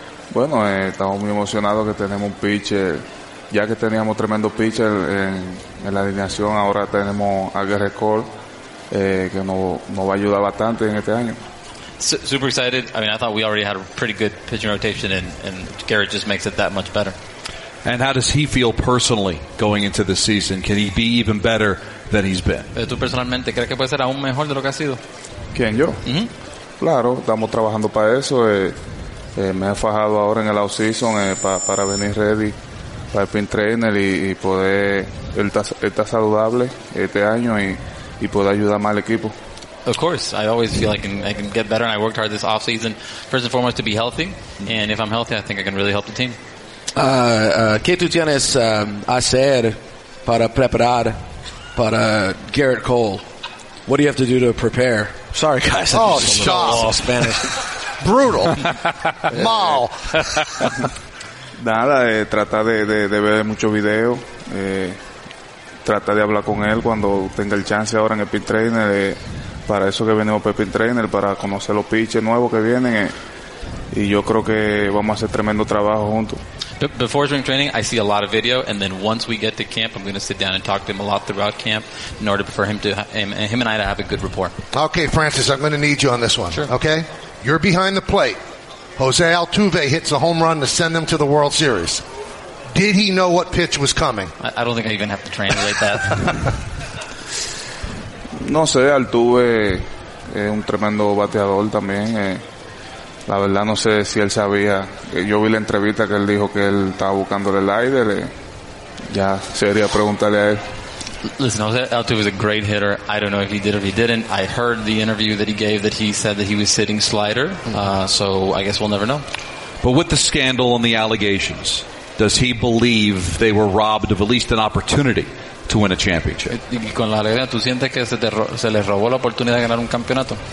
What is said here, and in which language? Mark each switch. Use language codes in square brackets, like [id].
[es] Bueno, estamos muy emocionados que tenemos un pitcher. Ya que teníamos tremendo pitcher en la alineación, ahora tenemos a Garrett Cole. Que no va a ayudar bastante en este año. [en] Super excited. I mean, I thought we already had a pretty good pitching rotation, and Garrett just makes it that much better. And how does he feel personally going into the season? Can he be even better than he's been? [es] ¿Tú personalmente crees que puede ser aún mejor de lo que ha sido? ¿Quién, yo? Mm-hmm. Claro, estamos trabajando para eso. Me he fajado ahora en el off-season para venir ready para el pin trainer y poder estar saludable este año y puede ayudar más al equipo. [en] Of course, I always feel like I can get better, and I worked hard this off season first and foremost to be healthy, and if I'm healthy, I think I can really help the team. [es] ¿Qué tú tienes hacer para preparar para Garrett Cole? [en] What do you have to do to prepare? Sorry guys, I'm just a little off Spanish. [es] Brutal. Mal. Nada, trata de ver mucho video, trata de hablar con él cuando tenga el chance ahora en el pin trainer, para eso que venimos para el pin trainer, para conocer los pitches nuevos que vienen, y yo creo que vamos a hacer tremendo trabajo juntos. [en] Before spring training, I see a lot of video, and then once we get to camp, I'm going to sit down and talk to him a lot throughout camp in order for him and I to have a good rapport. Okay, Francis, I'm going to need you on this one. Sure. Okay, you're behind the plate. Jose Altuve hits a home run to send them to the World Series. Did he know what pitch was coming? I don't think I even have to translate that. [es] No sé, Altuve es un tremendo bateador también. La verdad no sé si él sabía. Yo vi la entrevista que él dijo que él estaba buscando el slider. Ya sería preguntarle a él. [en] Listen, Jose Altuve is a great hitter. I don't know if he did or if he didn't. I heard the interview that he gave that he said that he was sitting slider. So I guess we'll never know. But with the scandal and the allegations, does he believe they were robbed of at least an opportunity to win a championship? [es] Con la alegación, ¿tú sientes que se les robó la oportunidad de ganar un campeonato?